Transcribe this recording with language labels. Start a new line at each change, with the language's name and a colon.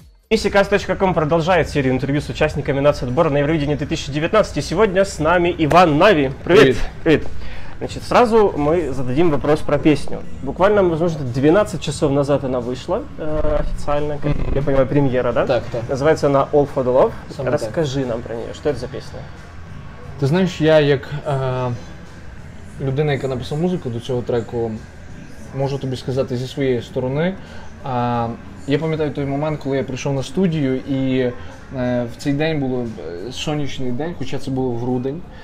Russian: ESCKAZ.com продолжает серию интервью с участниками нацотбора на Евровидение 2019. И сегодня с нами Иван Нави. Привет. Привет. Привет. Значит, сразу мы зададим вопрос про песню. Буквально, возможно, 12 часов назад она вышла официально, как я понимаю, премьера, да?
Ukrainian: Так, так.
Russian: Называется она All for the Love. Сам Расскажи так. нам про нее, что это за песня?
Ukrainian: Ты знаешь, я як людина, яка написала музыку до цього треку, можу тобі сказати зі своєї сторони. Я пам'ятаю той момент, коли я прийшов на студію, і в цей день був сонячний день, хоча це був грудень.